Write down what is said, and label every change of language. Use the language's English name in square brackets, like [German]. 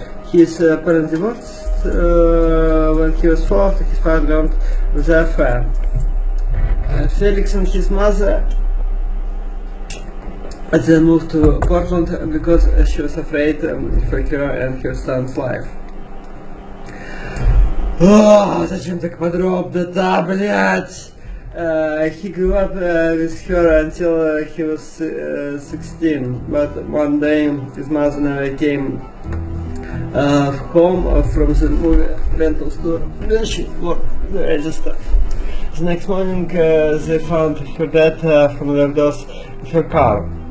[English] His parents divorced when he was 4, his father learned the affair. Felix and his mother then moved to Portland because she was afraid for her and her son's life. [Russian] Oh, зачем так подробно-то, блядь? [English] He grew up with her until he was 16, but one day his mother never came home from the movie rental store. Then she worked the register. The next morning they found her dead from the doors of her car.